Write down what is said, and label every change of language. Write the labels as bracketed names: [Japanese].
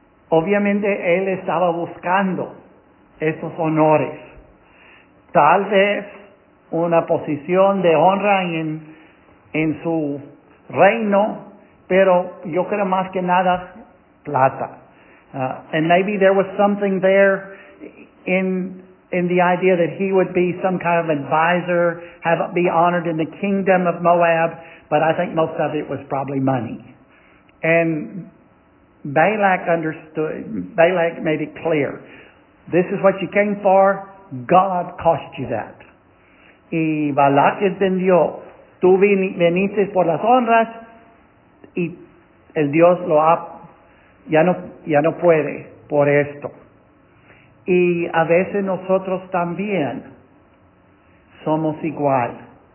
[Spanish] Obviamente, él estaba buscando esos honores. Tal vez una posición de honra en su reino, pero yo creo más que nada plata. [English] And maybe there was something there in the idea that he would be some kind of advisor, be honored in the kingdom of Moab, but I think most of it was probably money. And Balak made it clear, this is what you came for, God cost you that. [Spanish] Y Balak entendió, tú viniste por las honras, y el Dios lo ha, ya no puede por esto. Y a veces nosotros también somos igual.